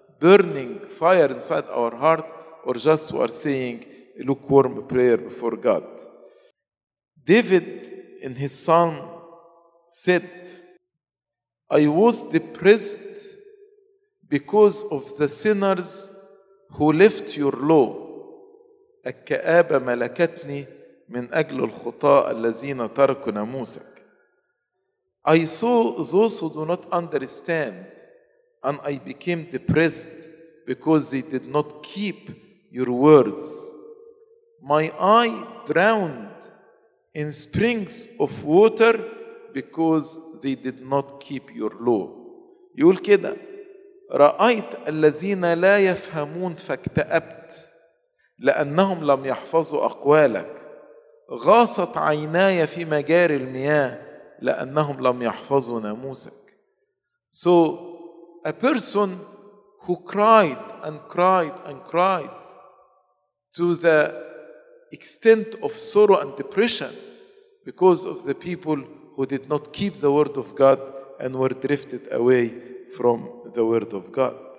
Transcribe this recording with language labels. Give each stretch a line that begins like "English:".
English: burning fire inside our heart or just we are saying a lukewarm prayer before God. David in his psalm said, I was depressed because of the sinners who left your law.
Arabic: الكآبة ملكتني من أجل الخطاء الذين تركوا ناموسك.
English: I saw those who do not understand and I became depressed because they did not keep your words. My eye drowned in springs of water because they did not keep your law.
Arabic: يقول كده رأيت الذين لا يفهمون فاكتئبت لأنهم لم يحفظوا أقوالك. غاصت عيناي في مجاري المياه لأنهم لم يحفظوا ناموسك.
English: So a person who cried and cried and cried to the extent of sorrow and depression because of the people who did not keep the word of God and were drifted away from the word of God.